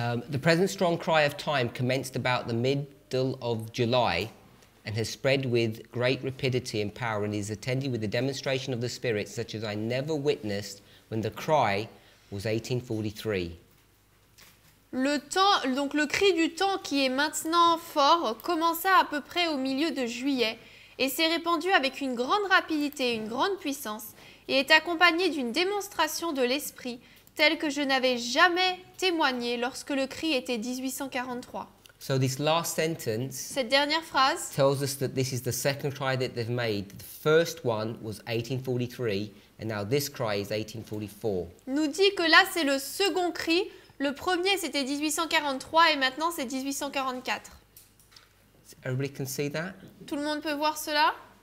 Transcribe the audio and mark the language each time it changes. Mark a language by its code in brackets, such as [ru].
[en] The present strong cry of time commenced about the middle of July and has spread with great rapidity and power and is attended with a demonstration of the Spirit such as I never witnessed when the cry was 1843. [fr] Le cri du temps qui est maintenant fort commença à peu près au milieu de juillet et s'est répandu avec une grande rapidité et une grande puissance et est accompagné d'une démonstration de l'esprit telle que je n'avais jamais témoigné lorsque le cri était 1843. [en] So this last sentence, [fr] cette dernière phrase, [en] tells us that this is the second cry that they've made. The first one was 1843. And now this cry is 1844. [fr] Nous dit que là c'est le second cri. Le premier c'était 1843 et maintenant c'est 1844. [en] Everybody can see that? [fr] Tout le monde peut voir cela?